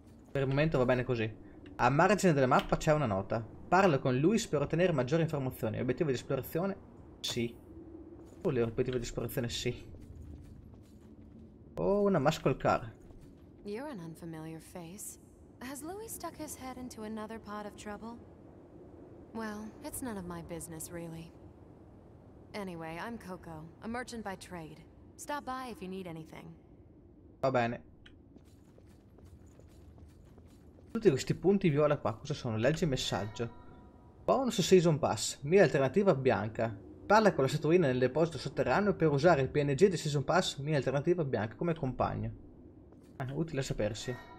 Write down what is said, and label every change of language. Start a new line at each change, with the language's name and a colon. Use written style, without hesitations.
Italian: Per il momento va bene così. A margine della mappa c'è una nota. Parlo con Luis per ottenere maggiori informazioni. Obiettivo di esplorazione? Sì. Volevo obiettivo di esplorazione? Sì. Oh, una muscle car.
English: You're an unfamiliar face. Has Louis stuck his head into another pot of trouble? Well, it's none of my business, really. Anyway, I'm Coco, a merchant by trade. Stop by if you need anything.
Italian: Va bene. Tutti questi punti viola qua, cosa sono? Leggi il messaggio. Bonus Season Pass, mia alternativa bianca. Parla con la statuina nel deposito sotterraneo per usare il PNG di Season Pass, mia alternativa bianca, come compagno. Utile a sapersi.